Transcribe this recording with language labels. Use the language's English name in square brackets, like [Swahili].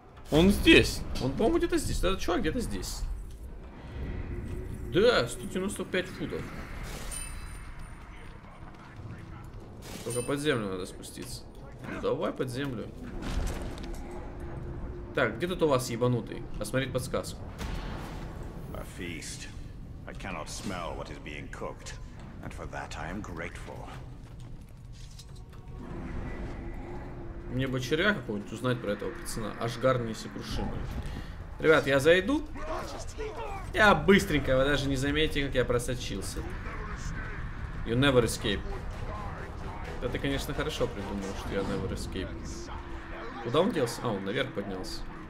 [Russian] Он здесь. Он, по-моему, где-то здесь. Этот чувак где-то здесь. Да, 195 футов. Только под землю надо спуститься. Ну, давай под землю. Так, где тут у вас ебанутый? Посмотреть подсказку. [English] A feast. I cannot smell what is being cooked, and for that I am grateful. [Russian] Мне бы червя какого-нибудь узнать про этого пацана. Ашгар несокрушимый. Ребят, я зайду. Я быстренько, вы даже не заметите, как я просочился. [English] You never escape. [Russian] Да ты, конечно, хорошо придумал, что я [English] never escape. [Russian] Куда он делся? А, он наверх поднялся.